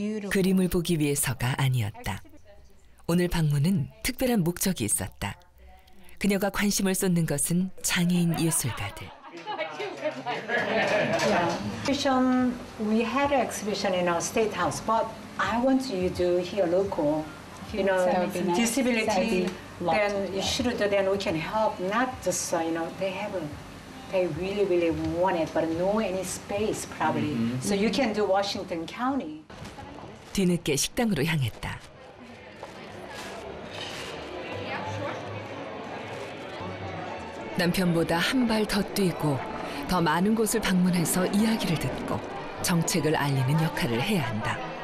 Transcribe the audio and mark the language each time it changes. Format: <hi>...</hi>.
<ko>그림을 보기 위해서가 아니었다. 오늘 방문은 특별한 목적이 있었다. 그녀가 관심을 쏟는 것은 장애인 예술가들.</ko> <en>Exhibition. We had an exhibition in our state house, but I want you to here local. You know, disability. Then you should do. Then we can help. Not just you know, they have they really, really want it, but no any space probably. Mm-hmm. So you can do Washington County.</en> <ko>뒤늦게 식당으로 향했다. 남편보다 한 발 더 뛰고 더 많은 곳을 방문해서 이야기를 듣고 정책을 알리는 역할을 해야 한다.</ko>